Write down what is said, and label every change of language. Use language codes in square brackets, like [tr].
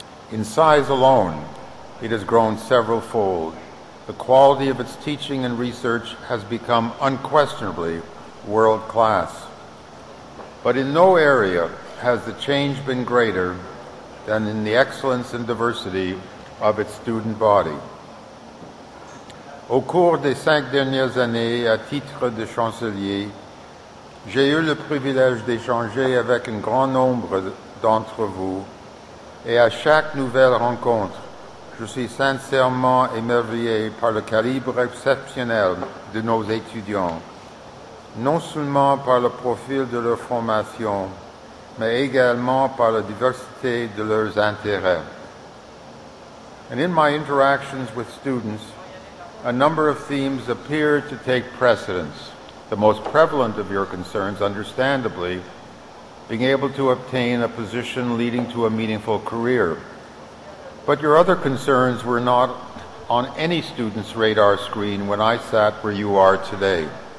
[en] In size alone, it has grown several fold. The quality of its teaching and research has become unquestionably world class. But in no area has the change been greater than in the excellence and diversity of its student body. [fr] Au cours des cinq dernières années, à titre de chancelier, j'ai eu le privilège d'échanger avec un grand nombre d'entre vous, et à chaque nouvelle rencontre, je suis sincèrement émerveillé par le calibre exceptionnel de nos étudiants, non seulement par le profil de leur formation, mais également par la diversité de leurs intérêts. [en] And in my interactions with students, a number of themes appear to take precedence, the most prevalent of your concerns, understandably, being able to obtain a position leading to a meaningful career. But your other concerns were not on any student's radar screen when I sat where you are today.